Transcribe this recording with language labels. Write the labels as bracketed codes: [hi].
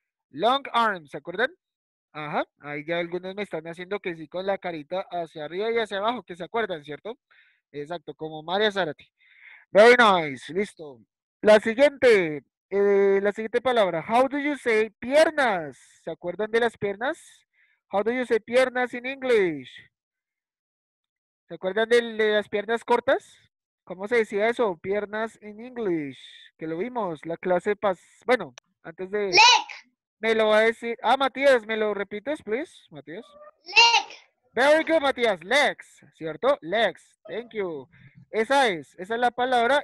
[en] Long arms, [es] ¿se acuerdan? Ajá, ahí ya algunos me están haciendo que sí con la carita hacia arriba y hacia abajo, que se acuerdan, ¿cierto? Exacto, como María Zárate. [en] Very nice, [es] listo. La siguiente palabra. [en] How do you say piernas? [es] ¿Se acuerdan de las piernas? [en] How do you say piernas in English? [es] ¿Se acuerdan de las piernas cortas? ¿Cómo se decía eso? Piernas in English. Que lo vimos. La clase pasada. Bueno, antes de... [en] Leg. [es] Me lo va a decir... Ah, Matías, ¿me lo repites, please? Matías. [en] Leg. Very good, [es] Matías. Legs. ¿Cierto? Legs. [en] Thank you. [es] Esa es. Esa es la palabra.